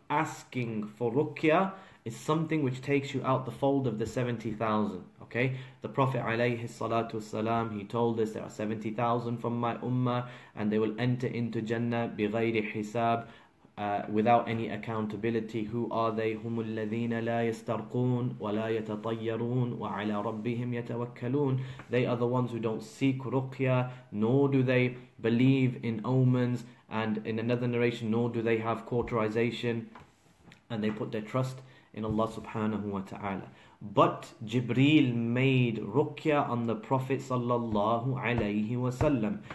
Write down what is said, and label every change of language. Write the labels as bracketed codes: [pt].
[en] Asking for ruqya is something which takes you out the fold of the 70,000. Okay, the Prophet alayhi salatu wasalam, he told us there are 70,000 from my ummah and they will enter into Jannah [ar] بغير حساب, [en] without any accountability. Who are they? [ar] هم الذين لا يسترقون ولا يتطيرون وعلى ربهم يتوكلون. [en] They are the ones who don't seek ruqya, nor do they believe in omens, and in another narration, nor do they have cauterization, and they put their trust in Allah subhanahu wa ta'ala. But Jibreel made ruqya on the Prophet sallallahu alayhi wa sallam.